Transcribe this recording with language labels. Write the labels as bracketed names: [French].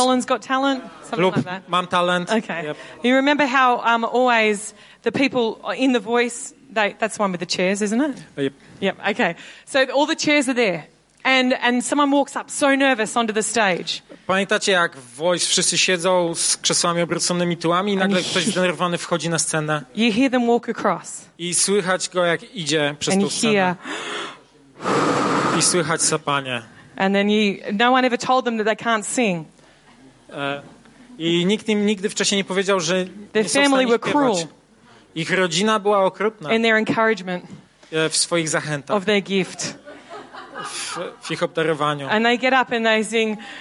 [English] Poland's got talent, something [Polish] lub [English] like that. [Polish] Mam talent. [English] Okay. Yep. You remember how always the people in the voice, that's the one with the chairs, isn't it? Yep. Yep. Okay. So all the chairs are there. And someone walks up so nervous onto the stage. [Polish] Pamiętacie, jak Voice wszyscy siedzą z krzesłami obróconymi tyłami i nagle ktoś zdenerwowany wchodzi na scenę. [English] You hear them walk across. [Polish] I słychać go, jak idzie przez [English] and [Polish] tą scenę. [English] Hear... [Polish] I słychać sapanie. [English] And then no one ever told them that they can't sing. [Polish] I nikt im nigdy wcześniej nie powiedział, że their nie są [English] family were cruel. [Polish] Ich rodzina była okrutna. [English] In their encouragement. [Polish] W swoich zachętach. [English] Of their gift. [Polish] W ich obdarowaniu. [English] And they get up and they sing,